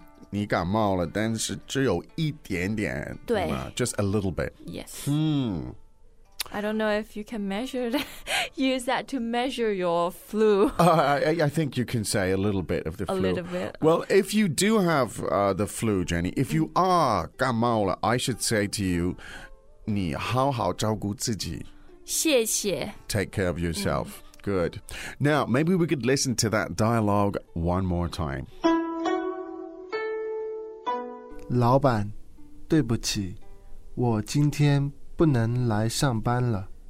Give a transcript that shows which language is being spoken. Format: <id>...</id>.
<zh>你感冒了,但是只有一点点。对。</zh> <en>Just a little bit. Yes. I don't know if you can measure that, use that to measure your flu. I think you can say a little bit of the flu. A little bit. Well, if you do have the flu, Jenny, if you are</en> <zh>感冒了,</zh> <en>I should say to you,</en> <zh>你好好照顾自己。谢谢。</zh> <en>Take care of yourself. Good. Now, maybe we could listen to that dialogue one more time.</en> <zh>老板，对不起，我今天不能来上班了。</zh>